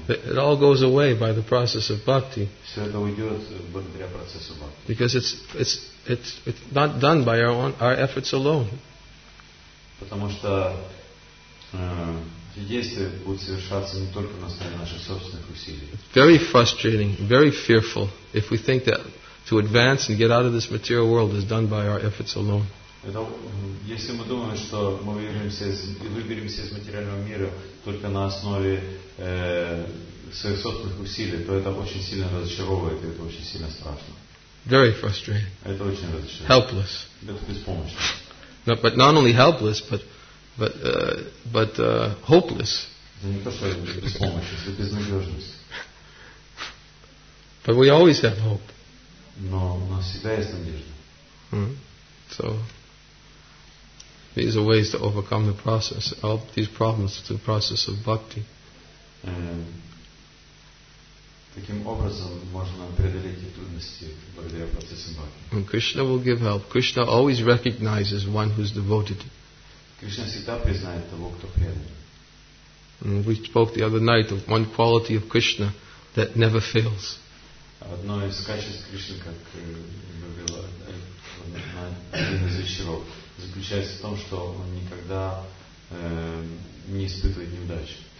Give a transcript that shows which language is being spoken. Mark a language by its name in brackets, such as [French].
[English] It all goes away by the process of bhakti. [Russian] Все это уйдет благодаря процессу бхакти. [English] Because it's not done by our efforts alone. [Russian] Потому что эти действия будут совершаться не только на основе наших собственных усилий. [English] It's very frustrating, very fearful if we think that to advance and get out of this material world is done by our efforts alone. [Russian] Это, если мы думаем, что мы выберемся из материального мира только на основе своих собственных усилий, то это очень сильно разочаровывает, и это очень сильно страшно. [English] Very frustrating. [Russian] Это очень разочаровывает. [English] Helpless. [Russian] Это беспомощно. [English] No, but not only helpless, but hopeless. [Russian] Это не то, что беспомощность, это безнадежность. [English] But we always have hope. [Russian] Но у нас всегда есть надежда. [English] So these are ways to overcome the process, all these problems to the process of bhakti. [Russian] Таким образом можно преодолеть эти трудности благодаря процессу бхакти. [English] And Krishna will give help. Krishna always recognizes one who's devoted. [Russian] Krishna всегда признает того, кто предан. [English] We spoke the other night of one quality of Krishna that never fails. [Russian] Одно из качеств Кришны, как говорил один из вечеров, заключается в том, что он никогда не испытывает неудач.